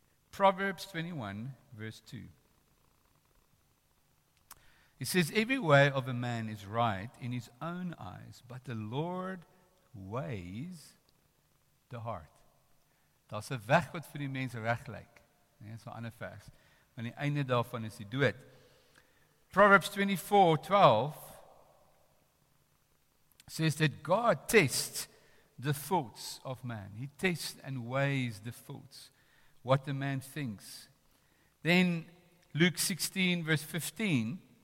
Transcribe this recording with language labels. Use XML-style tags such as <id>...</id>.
<en>Proverbs 21, verse 2. It says, every way of a man is right in his own eyes, but the Lord weighs the heart.</en> <af>Daar's 'n weg wat vir die mens reg lyk. Nee, so 'n ander vers. Maar die einde daarvan is die dood.</af> <en>Proverbs 24:12 says that God tests the thoughts of man. He tests and weighs the thoughts, what the man thinks. Then Luke 16:15.</en>